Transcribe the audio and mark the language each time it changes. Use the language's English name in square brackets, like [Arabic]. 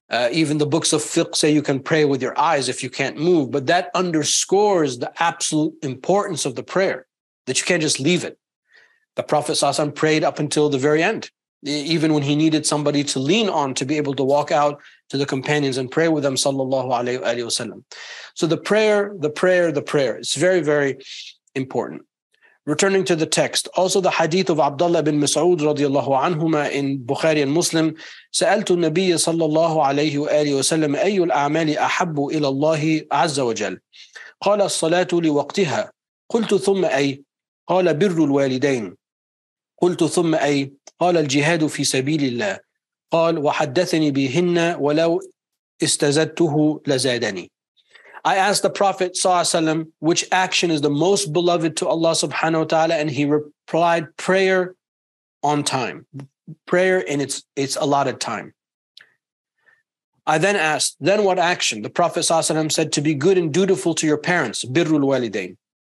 [English] Even the books of fiqh say you can pray with your eyes if you can't move, but that underscores the absolute importance of the prayer, that you can't just leave it. The Prophet Sallallahu Alaihi Wasallam prayed up until the very end. Even when he needed somebody to lean on to be able to walk out to the companions and pray with them, sallallahu alayhi wa sallam. So the prayer, it's very, very important. Returning to the text, also the hadith of Abdullah ibn Mas'ud radiallahu anhuma in Bukhari and Muslim, [Arabic] سَأَلْتُ النَّبِيَّ sallallahu alayhi wa sallam أَيُّ الْأَعْمَالِ أَحَبُّ إِلَى اللَّهِ عَزَّ وَجَلْ قَالَ الصَّلَاةُ لِوَقْتِهَا قُلْتُ ثُمَّ أَيْ قَالَ بِرُّ الْوَالِدَيْنِ قلت ثم أي قال الجهاد في سبيل الله قال وحدثني بهن ولو استزدته لزادني. [English] I asked the Prophet sallallahu alaihi wasallam which action is the most beloved to Allah subhanahu wa ta'ala, and he replied, prayer on time, prayer in its allotted time. I then asked, then what action? The Prophet sallallahu alaihi wasallam said to be good and dutiful to your parents, birrul walidain.